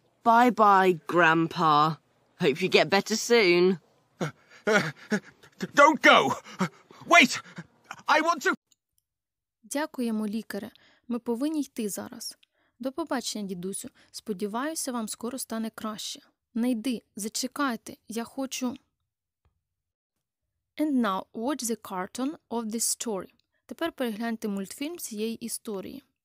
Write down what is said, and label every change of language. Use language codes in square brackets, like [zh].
[en] Bye-bye, grandpa. Hope you get better soon. Don't go! Wait! I want to... [uk] Дякуємо, лікаре. Ми повинні йти зараз. До побачення, дідусю. Сподіваюся, вам скоро стане краще. Не йди, зачекайте. Я хочу... [en] And now, watch the cartoon of this story. [uk] Тепер перегляньте мультфільм цієї історії.